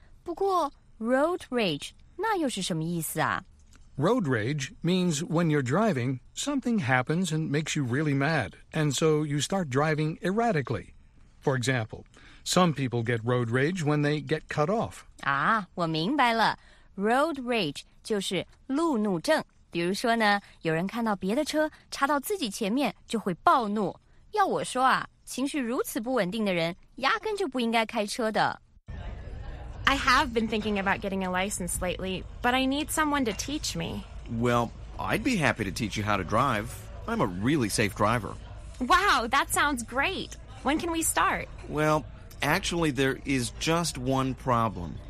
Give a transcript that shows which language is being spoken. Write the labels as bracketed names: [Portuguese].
[Chinese] 不过 road rage... 那又是什么意思啊? [English] Road rage means when you're driving, something happens and makes you really mad, and so you start driving erratically. For example, some people get road rage when they get cut off. [Chinese] 啊,我明白了。Road rage 就是路怒症。比如说呢,有人看到别的车插到自己前面就会暴怒。要我说啊,情绪如此不稳定的人压根就不应该开车的。 [English] I have been thinking about getting a license lately, but I need someone to teach me. Well, I'd be happy to teach you how to drive. I'm a really safe driver. Wow, that sounds great. When can we start? Well, actually, there is just one problem.